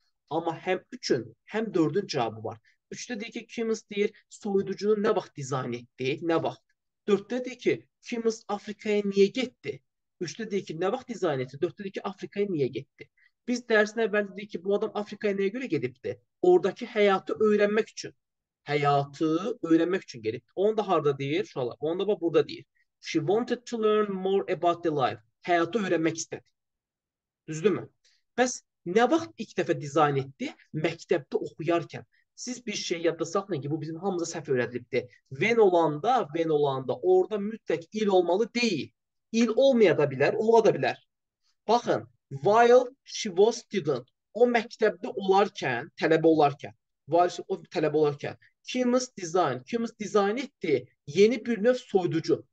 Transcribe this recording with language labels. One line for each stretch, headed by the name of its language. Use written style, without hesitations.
Azerbaijani: Ama həm 3-ün, həm 4-ün cavabı var. 3-də deyir ki, Kim's deyir, soyuducunu nə vaxt dizayn etdi, nə vaxt. 4-də deyir ki, Kim's Afrika'ya niyə getdi? 3-də deyir ki, nə vaxt dizayn etdi? 4-də deyir ki, Afrika'ya niyə getdi? Biz dərsin əvvəlində deyir ki, bu adam Afrika'ya nəyə görə gedibdi? Oradakı həyatı öyrənmək üçün. Həyatı öyrənmək üçün gedib. Onu da harda deyir? Şuralar. Onu da bak, burada deyir.
English: She wanted to learn more about the life.
Azerbaijani: Həyatı öyrənmək istədi. Düzdür mü? Bəs nə vaxt ilk dəfə dizayn etdi? Məktəbdə oxuyarkən. Siz bir şey yadda saxlayın ki, bu bizim hamımıza səhv öyrədilibdir. Ven olanda orada mütləq il olmalı deyil. İl olmaya da bilər, ola da bilər. Baxın,
English: while she was student,
Azerbaijani: o məktəbdə olarkən, tələbə olarkən, while o tələbə olarkən, Kim's dizayn etdi, yeni bir növ soyuducu.